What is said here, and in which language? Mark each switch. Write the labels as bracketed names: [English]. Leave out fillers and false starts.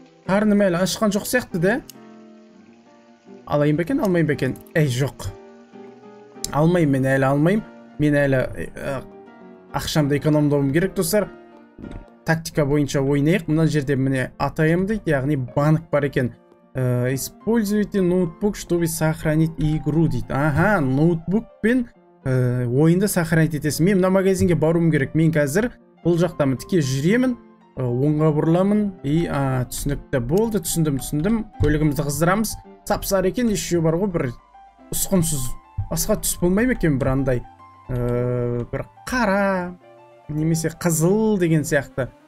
[Kazakh] Қарным әлі ашқан жоқ сияқты, да? Алайын ба екен, алмайын ба екен? Әй, жоқ. Алмайын, мен әлі алмайым. Мен әлі ақшамды экономдауым керек, достар. Тактика бойынша ойнайық. Мына жерде міне атайым дейді, яғни банк бар екен. [Russian] Используйте ноутбук, чтобы сохранить игру дейді. [Kazakh] Аха, ноутбук пен ойынды сохранить етесің. Мен мына магазинге баруым керек. Мен қазір бұл жақтамын, тіке жүремін, оңға бұрыламын. И түсінікті болды, түсіндім. Көлігімізді қыздырамыз. Сапсар екен, еще бар ғой, бір ұсқынсыз. Басқа түс болмай ма екен, бір андай бір қара, немесе қызыл деген сияқты.